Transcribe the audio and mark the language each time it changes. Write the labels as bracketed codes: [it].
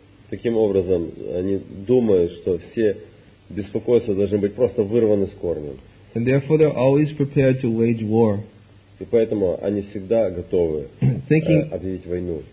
[ru] Таким образом, они думают, что все беспокойства должны быть просто вырваны с корнем. [en] And therefore they're always prepared to wage war. [ru] И поэтому они всегда готовы объявить войну.